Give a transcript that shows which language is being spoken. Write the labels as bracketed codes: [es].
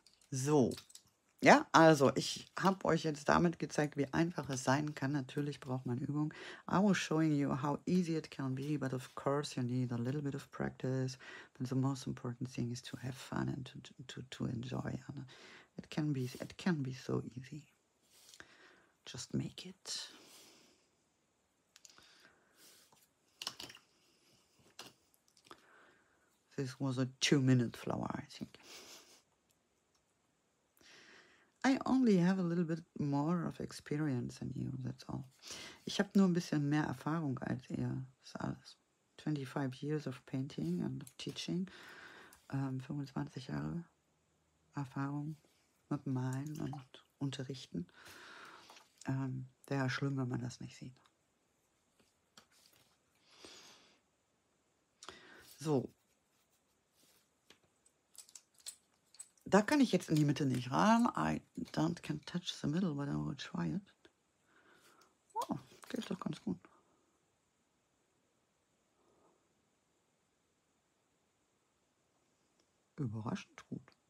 [de] So, ja, also ich habe euch jetzt damit gezeigt, wie einfach es sein kann. Natürlich braucht man Übung. [en] I was showing you how easy it can be, but of course you need a little bit of practice. But the most important thing is to have fun and to enjoy. And it can be so easy. Just make it. This was a 2-minute flower, I think. I only have a little bit more of experience than you, that's all. [de] Ich habe nur ein bisschen mehr Erfahrung als ihr, das ist alles. [en] 25 years of painting and of teaching. [de] 25 Jahre Erfahrung mit Malen und Unterrichten. Wäre schlimm, wenn man das nicht sieht. So. Da kann ich jetzt in die Mitte nicht ran. [en] I don't can touch the middle, but I will try it. [de] Oh, geht doch ganz gut. Überraschend gut.